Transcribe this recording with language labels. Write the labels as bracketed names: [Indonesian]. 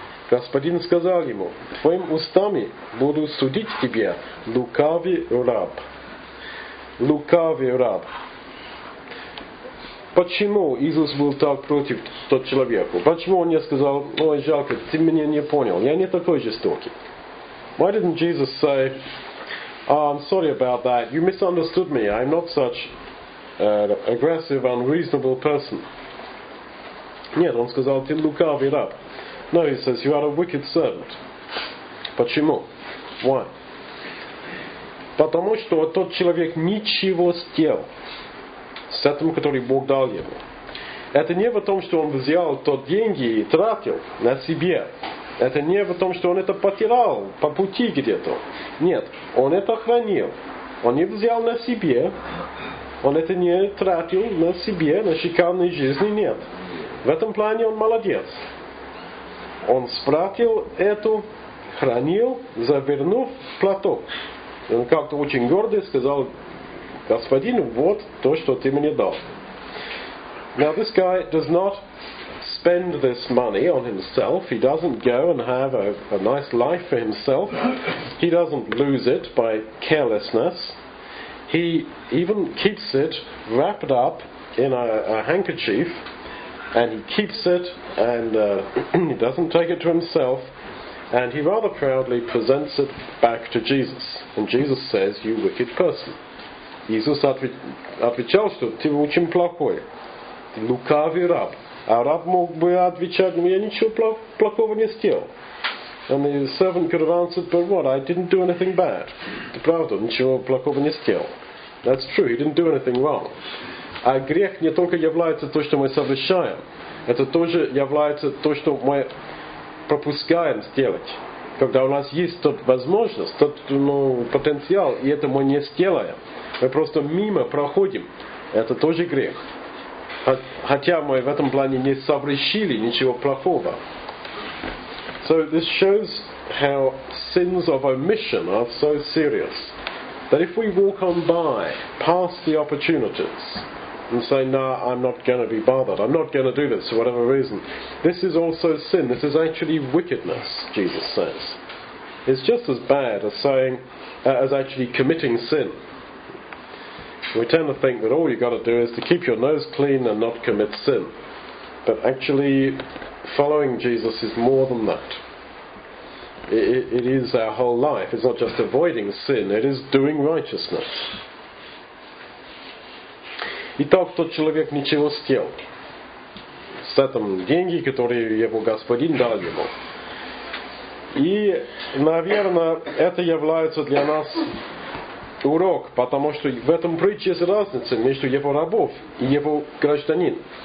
[Russian] Господин сказал ему, твоим устами буду судить тебя, лукавый раб. Лукавый раб. Почему Иисус был так против тот человеку? Почему он не сказал, ой, жалко, ты меня не понял, я не такой жестокий? [English] Why didn't Jesus say, oh, I'm sorry about that, you misunderstood me, I'm not such an aggressive, unreasonable person? [Russian] Нет, он сказал, ты лукавый раб. [English] No, he says, you are a wicked servant. [Russian] Почему? [English] Why? [Russian] Потому что тот человек ничего сделал. С этим, который Бог дал ему. Это не в том, что он взял тот деньги и тратил на себе. Это не в том, что он это потерял по пути где-то. Нет, он это хранил. Он не взял на себе. Он это не тратил на себе, на шикарной жизни, нет. В этом плане он молодец. Он спрятал эту, хранил, завернув платок. Он как-то очень гордый сказал, Господин, вот то, что ты мне дал. [English] Now this guy does not spend this money on himself. He doesn't go and have a nice life for himself. He doesn't lose it by carelessness. He even keeps it wrapped up in a handkerchief. And he keeps it and he doesn't take it to himself. And he rather proudly presents it back to Jesus. And Jesus says, you wicked person. [Russian] Иисус отвечал, что ты очень плохой, ты лукавый раб. А раб мог бы отвечать, я ничего плохого не сделал. [English] And the servant could have answered, but what, I didn't do anything bad. [Russian] Это правда, ничего плохого не сделал. [English] That's true, he didn't do anything wrong. [Russian] А грех не только является то, что мы совершаем, это тоже является то, что мы пропускаем сделать. Когда у нас есть тот возможность, тот потенциал, и это мы не сделаем. Мы просто мимо проходим. Это тоже грех. Хотя мы в этом плане не совершили ничего плохого. [English] So this shows how sins of omission are so serious that if we walk on by past the opportunities and say, "Nah, I'm not going to be bothered, I'm not going to do this for whatever reason," this is also sin. This is actually wickedness, Jesus says. It's just as bad as saying, as actually committing sin. We tend to think that all you've got to do is to keep your nose clean and not commit sin. But actually, following Jesus is more than that. It is our whole life. It's not just avoiding sin, it is doing righteousness. [Russian] И то, кто человек ничего стел, с этим деньги, которые его Господин дал ему. И, наверное, это является для нас урок, потому что в этом притче есть разница между его рабов и его гражданином.